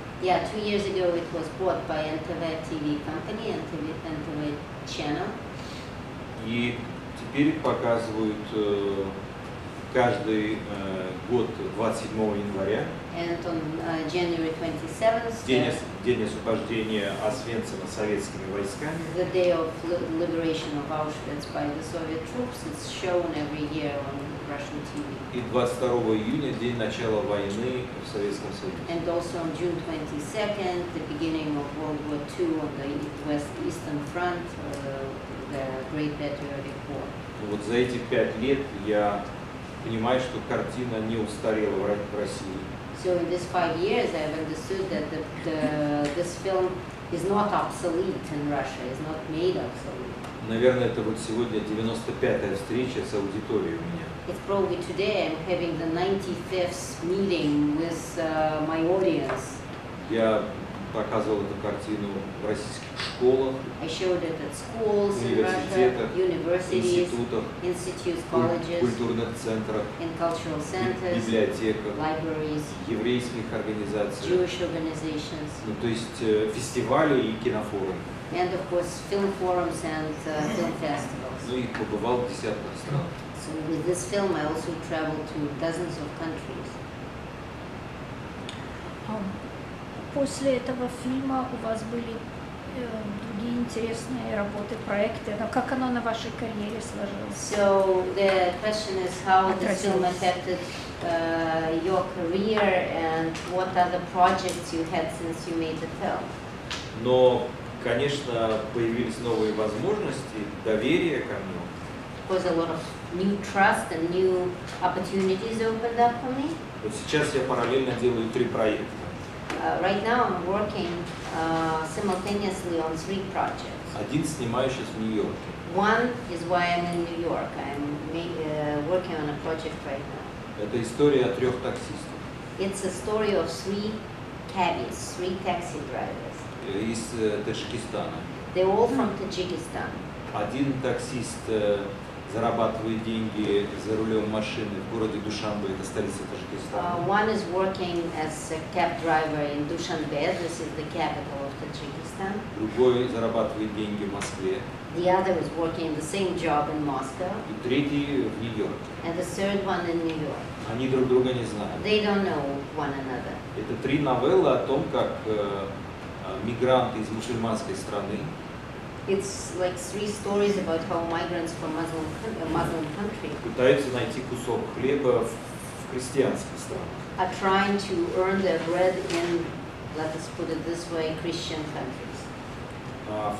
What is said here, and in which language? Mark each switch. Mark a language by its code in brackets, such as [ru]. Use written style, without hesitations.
[en] Yeah, 2 years ago it was bought by NTV TV company, NTV channel. [ru] И теперь показывают каждый год 27 января. [en] And on January 27th. [ru] День освобождения Освенцима советскими войсками. [en] The day of liberation of Auschwitz by the Soviet troops is shown every year on Russian TV. [ru] И 22 июня, день начала войны в Советском Союзе. [en] And also on June 22nd, the beginning of World War II on the Eastern Front, the Great Patriotic War. [ru] Вот за эти 5 лет я понимаю, что картина не устарела в России. [en] So in these 5 years, I have understood that this film is not obsolete in Russia, is not made obsolete. [ru] Наверное, это вот сегодня 95-я встреча с аудиторией у меня. [en] It's probably today I'm having the 95th meeting with my audience. [ru] Я показывал эту картину в российских школах, университетах, институтах, культурных центрах, библиотеках, еврейских организациях, ну, то есть фестивали и кинофорумы. [en] And of course, film forums and film festivals. [ru] Ну и побывал в десятках стран. [en] So with this film, I also traveled to dozens of countries. [ru] После этого фильма у вас были другие интересные работы, проекты. Но как оно на вашей карьере сложилось? [en] So the question is how this film affected your career and what other projects you had since you made the film. [ru] Но конечно, появились новые возможности, доверие ко мне. [en] Because a lot of new trust and new opportunities opened up for me. [ru] Вот сейчас я параллельно делаю три проекта. [en] Right now I'm working simultaneously on three projects. [ru] Один снимаю сейчас в Нью-Йорке. [en] One is why I'm in New York. I'm working on a project right now. [ru] Это история о трех таксистах. [en] It's a story of three cabbies, three taxi drivers. [ru] Из Таджикистана. [en] They're all from Tajikistan. [ru] Один таксист зарабатывает деньги за рулем машины в городе Душанбе, это столица Таджикистана. [en] One is working as a cab driver in Dushanbe. This is the capital of Tajikistan. [ru] Другой зарабатывает деньги в Москве. [en] The other is working the same job in Moscow. [ru] И третий в Нью-Йорке. [en] And the third one in New York. [ru] Они друг друга не знают. [en] They don't know one another. [ru] Это три новеллы о том, как мигранты из мусульманской страны. [en] It's like three stories about how migrants from Muslim country [ru] пытаются найти кусок хлеба в христианской стране. [en] Are trying to earn their bread in, let us put it this way, Christian countries.